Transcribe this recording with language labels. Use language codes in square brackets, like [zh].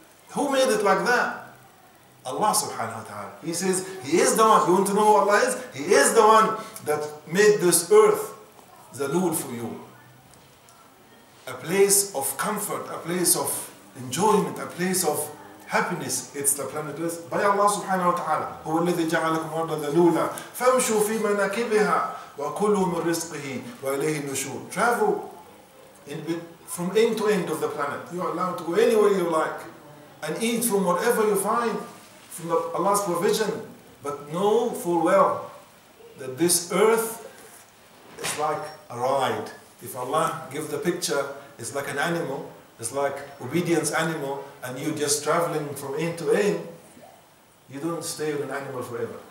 [en] Who made it like that? Allah subhanahu wa ta'ala. He says, He is the one. You want to know who Allah is? He is the one that made this earth zalul for you. A place of comfort, a place of enjoyment, a place of happiness. It's the planet Earth. By Allah subhanahu wa ta'ala. [ar] هو الذي جعلكم أرضا ذلولا فامشوا في مناكبها وكلوا من رزقه وإليه النشور. [en] Travel from end to end of the planet. You are allowed to go anywhere you like and eat from whatever you find. From Allah's provision, but know full well that this earth is like a ride. If Allah gives the picture, it's like an animal, it's like obedience animal, and you're just traveling from end to end, you don't stay with an animal forever.